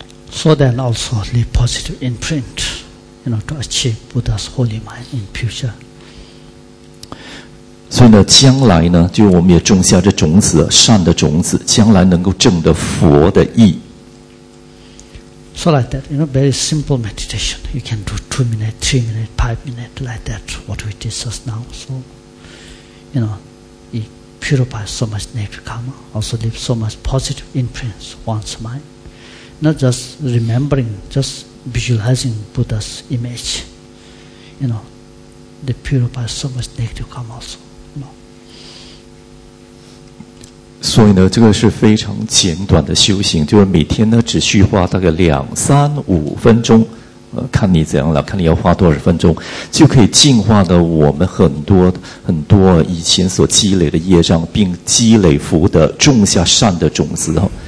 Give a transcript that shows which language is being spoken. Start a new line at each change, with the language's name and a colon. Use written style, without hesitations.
English: So then also leave positive imprint, you know, to achieve Buddha's holy mind in future.
Chinese: 所以呢，将来呢，就我们也种下这种子，善的种子，将来能够证得佛的意。
English: So like that, you know, very simple meditation. You can do 2 minutes, 3 minutes, 5 minutes, like that, what we discuss now. So, you know, it purifies so much negative karma, also leaves so much positive imprints one's mind. Not just remembering, just visualizing Buddha's image. You know, they purify so much negative karma also. No.
Chinese: 所以呢，这个是非常简短的修行，就是每天呢，只需花大概两三五分钟，看你怎样了，看你要花多少分钟，就可以净化的我们很多很多以前所积累的业障，并积累福德，种下善的种子哦。